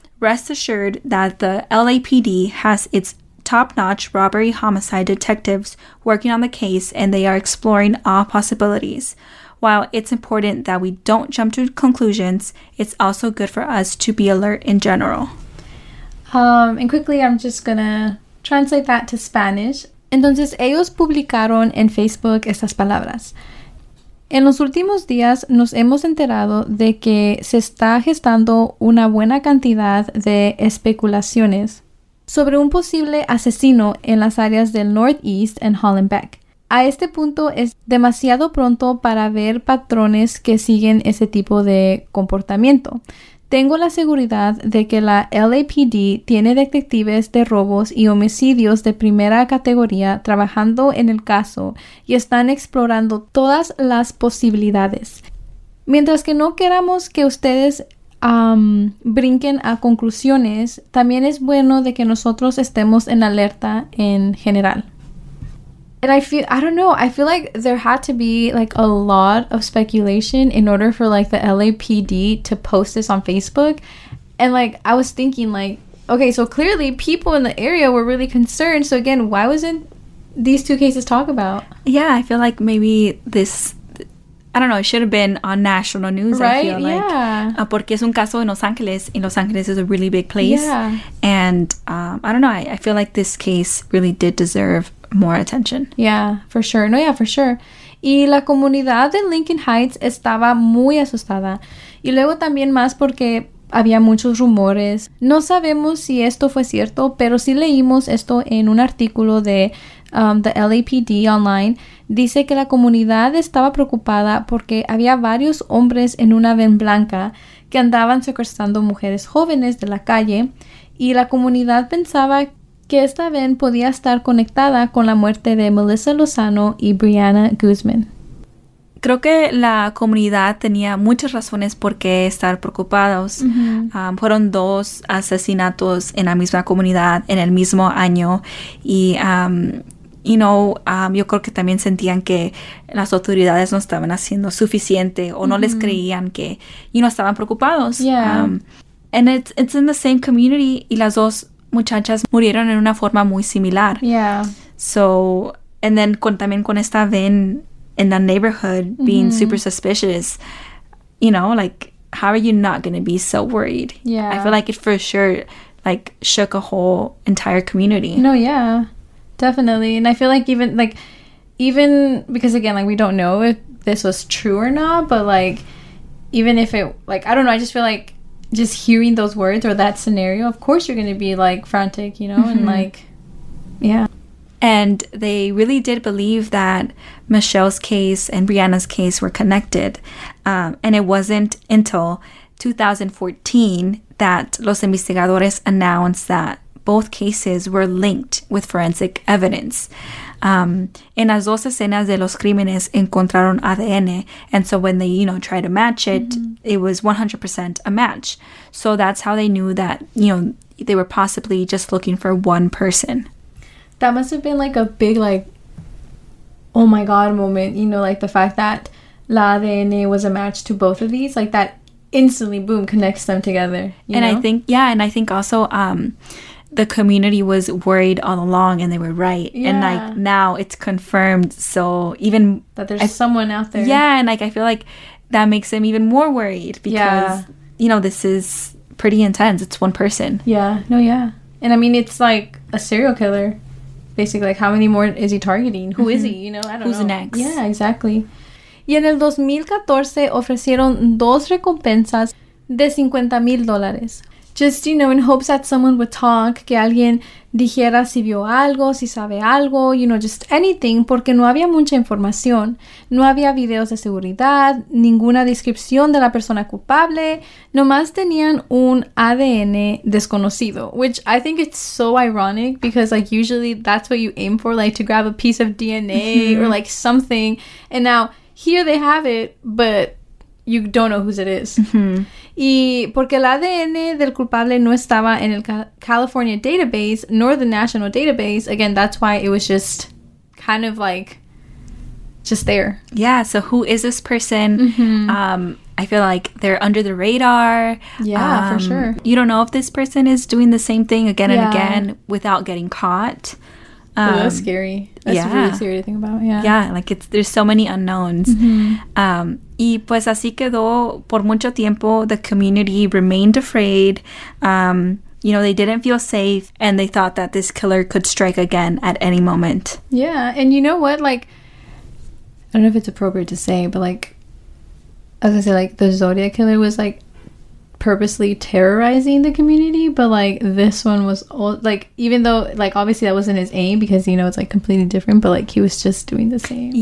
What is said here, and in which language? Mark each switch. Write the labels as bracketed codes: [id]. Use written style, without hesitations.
[en] Rest assured that the LAPD has its top-notch robbery homicide detectives working on the case, and they are exploring all possibilities. While it's important that we don't jump to conclusions, it's also good for us to be alert in general. And quickly, I'm just gonna translate that to Spanish. [es] Entonces, ellos publicaron en Facebook estas palabras. En los últimos días, nos hemos enterado de que se está gestando una buena cantidad de especulaciones sobre un posible asesino en las áreas del Northeast and Holland Beck. A este punto es demasiado pronto para ver patrones que siguen ese tipo de comportamiento. Tengo la seguridad de que la LAPD tiene detectives de robos y homicidios de primera categoría trabajando en el caso y están explorando todas las posibilidades. Mientras que no queramos que ustedes brinquen a conclusiones, también es bueno de que nosotros estemos en alerta en general. [en] And I feel like there had to be, like, a lot of speculation in order for, like, the LAPD to post this on Facebook. And, like, I was thinking, like, okay, so clearly people in the area were really concerned. So, again, why wasn't these two cases talked about? Yeah, I feel like maybe this, I don't know, it should have been on national news, right? I feel like. Right, yeah. [es] Porque es un caso en Los Ángeles, [en] and Los Ángeles is a really big place. Yeah. And, I don't know, I feel like this case really did deserve more attention. Yeah, for sure. No, yeah, for sure. [es] Y la comunidad de Lincoln Heights estaba muy asustada. Y luego también más porque había muchos rumores. No sabemos si esto fue cierto, pero sí leímos esto en un artículo de [en] the LAPD online. [es] Dice que la comunidad estaba preocupada porque había varios hombres en una van blanca que andaban secuestrando mujeres jóvenes de la calle. Y la comunidad pensaba que esta vez podía estar conectada con la muerte de Melissa Lozano y Brianna Guzmán. Creo que la comunidad tenía muchas razones por qué estar preocupados. Uh-huh. Fueron dos asesinatos en la misma comunidad en el mismo año. Y [en] you know, [es] yo creo que también sentían que las autoridades no estaban haciendo suficiente o no les creían que, you know, estaban preocupados. [en] And it's in the same community [es] y las dos muchachas murieron en una forma muy similar. [en] So, and then [es] con, también con esta [en] Vin in the neighborhood being super suspicious, you know, like, how are you not going to be so worried? Yeah. I feel like it for sure, like, shook a whole entire community. No, yeah, definitely. And I feel like, even because, again, like, we don't know if this was true or not, but, like, even if it, like, I don't know, I just feel like just hearing those words or that scenario, of course you're going to be, like, frantic, you know, and, like, yeah. And they really did believe that Michelle's case and Brianna's case were connected. And it wasn't until 2014 that [es] Los Investigadores [en] announced that both cases were linked with forensic evidence. [es] En las dos escenas de los crímenes encontraron ADN. [en] And so when they, you know, tried to match it, it was 100% a match. So that's how they knew that, you know, they were possibly just looking for one person. That must have been, like, a big, like, oh, my God moment. You know, like, the fact that [es] la ADN [en] was a match to both of these. Like, that instantly, boom, connects them together. I think, and I think also the community was worried all along, and they were right. Yeah. And, like, now it's confirmed. So even... that there's someone out there. Yeah, and, like, I feel like that makes them even more worried. Because, you know, this is pretty intense. It's one person. And, I mean, it's, like, a serial killer. Basically, like, how many more is he targeting? Who is he? You know, I don't Who's next? Yeah, exactly. [es] Y en el 2014 ofrecieron dos recompensas de $50,000. [en] Just, you know, in hopes that someone would talk, [es] que alguien dijera si vio algo, si sabe algo, [en] you know, just anything, [es] porque no había mucha información. No había videos de seguridad, ninguna descripción de la persona culpable. Nomás tenían un ADN desconocido, [en] which I think it's so ironic because, like, usually that's what you aim for, like, to grab a piece of DNA or, like, something. And now, here they have it, but you don't know whose it is. [es] Y porque el ADN del culpable no estaba en el [en] California database, nor the national database, again, that's why it was just kind of like, just there. Yeah, so who is this person? I feel like they're under the radar. Yeah, for sure. You don't know if this person is doing the same thing again and again without getting caught. That's scary. That's really scary to think about, Like, it's, there's so many unknowns. [es] Y pues así quedó por mucho tiempo. [en] The community remained afraid. You know, they didn't feel safe, and they thought that this killer could strike again at any moment. Yeah, and you know what? Like, I don't know if it's appropriate to say, but, like, as I say, like, the Zodiac killer was, like, purposely terrorizing the community, but, like, this one was all, like, even though, like, obviously that wasn't his aim because, you know, it's, like, completely different, but, like, he was just doing the same.